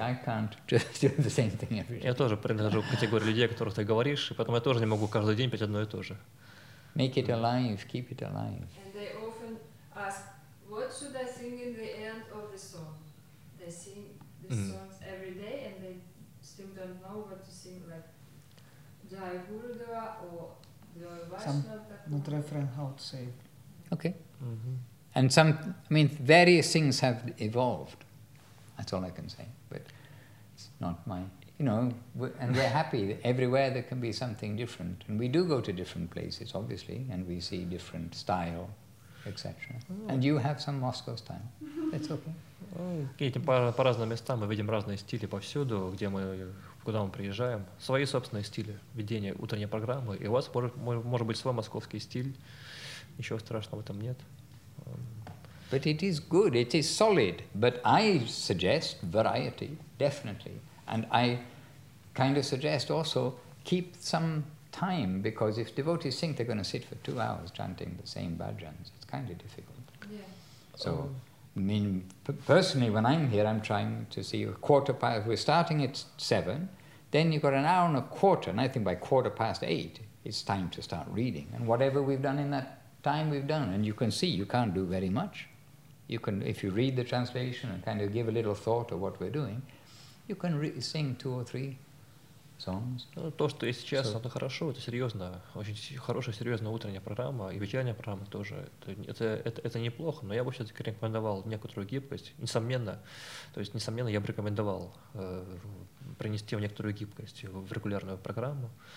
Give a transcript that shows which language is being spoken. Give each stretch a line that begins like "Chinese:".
English: I can't just do the same thing every day.
Russian: Я тоже принадлежу к категории людей, о которых ты говоришь, и поэтому я тоже не могу каждый день петь одно и то же.
English: Make it alive, keep it alive. And they often ask, what should I sing in the end of the song? They sing these songs every day, and they still don't know what to sing, like Jai Guru Deva or Jai Vaishnava. Not refrain, how to say. Okay. And some, I mean, various things have evolved. That's all I can say, but it's not my, you know, and we're happy that everywhere there can be something different. And we do go to different places, obviously, and we see different style, etc. And you have some Moscow style. It's okay.
Russian: Едем по разным местам, мы видим разные стили повсюду, где мы, куда мы приезжаем. Свои собственные стили ведения утренней программы, и у вас может быть свой московский стиль. Ничего страшного в этом нет.
English: But it is good, it is solid. But I suggest variety, definitely. And I kind of suggest also keep some time, because if devotees think they're going to sit for 2 hours chanting the same bhajans, it's kind of difficult. Yeah. So, I mean, personally, when I'm here, I'm trying to see a quarter past. We're starting at 7, then you've got an hour and a quarter, and I think by 8:15, it's time to start reading. And whatever we've done in that time we've done, and you can see you can't do very much. You can, if you read the translation and kind of give a little thought of what we're doing, you can sing 2 or 3 songs.
Russian: Ну, то, что есть сейчас, so, это хорошо, это серьезно, очень хорошая, серьезная утренняя программа и вечерняя программа тоже. Это неплохо, но я бы все-таки рекомендовал некоторую гибкость, несомненно, то есть, несомненно, я бы рекомендовал принести некоторую гибкость в регулярную программу.